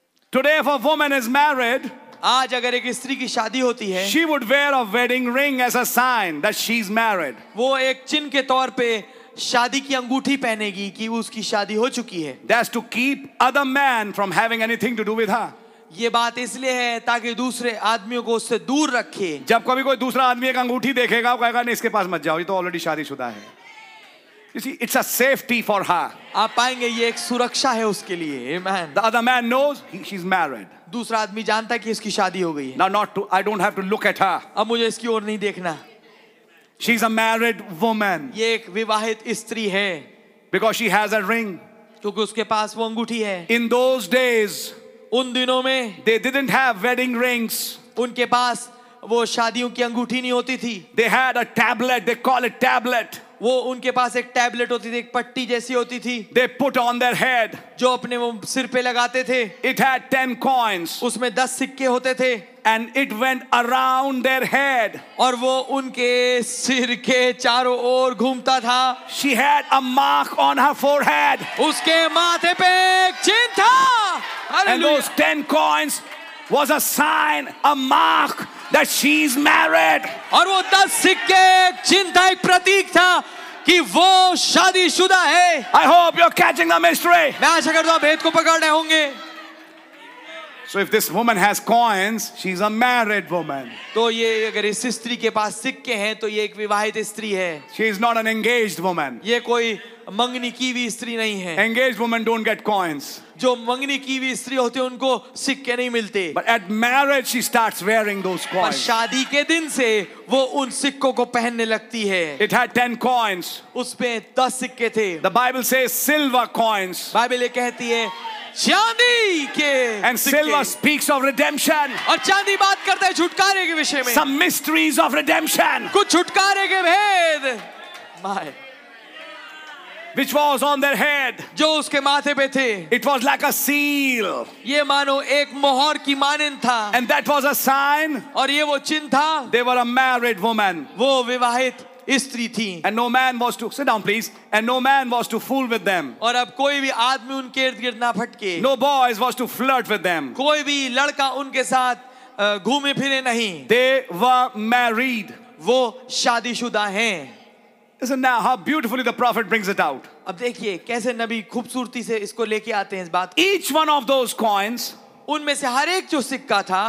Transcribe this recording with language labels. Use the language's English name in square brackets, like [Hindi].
[English] Today, if a woman is married, [Hindi] आज अगर एक स्त्री की शादी होती है, [English] she would wear a wedding ring as a sign that she's married. [Hindi] वो एक चिन्ह के तौर पे शादी की अंगूठी पहनेगी कि उसकी शादी हो चुकी है. [English] That's to keep other man from having anything to do with her. [Hindi] ये बात इसलिए है ताकि दूसरे आदमियों को उससे दूर रखे जब कभी कोई दूसरा आदमी एक अंगूठी देखेगा वो कहेगा नहीं इसके पास मत जाओ ये तो ऑलरेडी शादीशुदा है [English] You see, it's a safety for her. [Hindi] आप पाएंगे ये एक सुरक्षा है उसके लिए Amen. [English] The other man knows she's married. [Hindi] दूसरा आदमी जानता है कि इसकी शादी हो गई है [English] Now, not to, I don't have to look at her. [Hindi] अब मुझे इसकी ओर नहीं देखना [English] She's a married woman. [Hindi] ये एक विवाहित स्त्री है [English] Because she has a ring. [Hindi] क्योंकि उसके पास वो अंगूठी है [English] In those days, [Hindi] उन दिनों में [English] they didn't have wedding rings. [Hindi] उनके पास वो शादियों की अंगूठी नहीं होती थी [English] they had a tablet, they call it tablet. [Hindi] वो उनके पास एक टैबलेट होती थी एक पट्टी जैसी होती थी [English] they put on their head. [Hindi] जो अपने वो सिर पे लगाते थे [English] it had 10 coins. [Hindi] उसमें 10 सिक्के होते थे [English] and it went around their head. [Hindi] और वो उनके सिर के चारों ओर घूमता था [English] she had a mark on her forehead. [Hindi] उसके माथे पे एक चिन्ह था [English] Hallelujah. And those 10 coins was a sign, a mark that she's married. [Hindi] और वो 10 सिक्के एक चिन्ह था, एक प्रतीक था कि वो शादीशुदा है। [English] I hope you're catching the mystery. [Hindi] मैं आशा करता हूँ भेद को पकड़ रहे होंगे। [English] So if this woman has coins, she's a married woman. [Hindi] तो ये अगर इस स्त्री के पास सिक्के हैं, तो ये एक विवाहित स्त्री है। [English] She is not an engaged woman. [Hindi] ये कोई मंगनी की भी स्त्री नहीं है। [English] Engaged woman don't get coins. [Hindi] जो मंगनी की भी स्त्री होती है उनको सिक्के नहीं मिलते [English] But at marriage she starts wearing those coins. [Hindi] पर शादी के दिन से वो उन सिक्कों को पहनने लगती है [English] It had 10 coins. [Hindi] उसपे 10 सिक्के थे [English] The Bible says silver coins. [Hindi] Bible ये कहती है चांदी के [English] And [Hindi] सिक्के. [English] Silver speaks of redemption. [Hindi] और चांदी बात करता है छुटकारे के विषय में [English] Some mysteries of redemption. [Hindi] कुछ छुटकारे के भेद [English] Which was on their head. [Hindi] जो उसके माथे पे थे. [English] It was like a seal. [Hindi] ये मानो एक मोहर की मानिन था. [English] And that was a sign. [Hindi] और ये वो चिन्ह था. [English] They were a married woman. [Hindi] वो विवाहित स्त्री थी. [English] And no man was to sit down, please. And no man was to fool with them. [Hindi] और अब कोई भी आदमी उनके इर्द-गिर्द ना फटके. [English] No boys was to flirt with them. [Hindi] कोई भी लड़का उनके साथ घूमे फिरे नहीं. [English] They were married. [Hindi] वो शादीशुदा हैं. [English] Isn't that how beautifully the prophet brings it out? [Hindi] अब देखिए कैसे नबी खूबसूरती से इसको लेके आते हैं इस बात। [English] Each one of those coins, [Hindi] उनमें से हर एक जो सिक्का था।